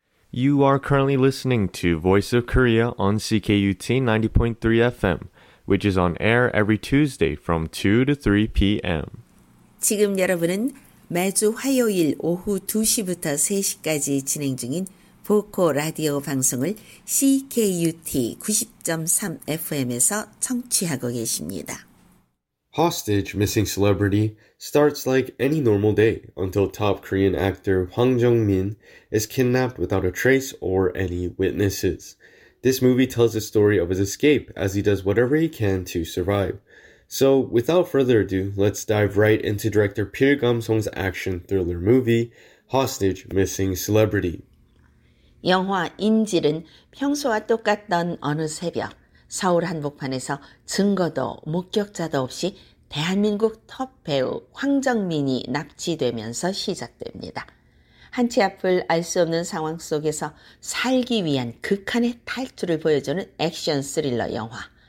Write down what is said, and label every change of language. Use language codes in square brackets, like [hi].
[en] You are currently listening to Voice of Korea on CKUT 90.3 FM, which is on air every Tuesday from 2 to 3 p.m. [ko] 지금 여러분은 매주 화요일 오후 2시부터 3시까지 진행 중인 보코 라디오 방송을 CKUT 90.3 FM에서 청취하고 계십니다. [en] Hostage missing celebrity starts like any normal day until top Korean actor Hwang Jung-min is kidnapped without a trace or any witnesses. This movie tells the story of his escape as he does whatever he can to survive. So, without further ado, let's dive right into director Park Gam-sung's action thriller movie, Hostage Missing Celebrity. [ko] 영화 인질은 평소와 똑같던 어느 새벽 서울 한복판에서 증거도 목격자도 없이 대한민국 톱 배우 황정민이 납치되면서 시작됩니다. 한치 앞을 알 수 없는 상황 속에서 살기 위한 극한의 탈출을 보여주는 액션 스릴러 영화.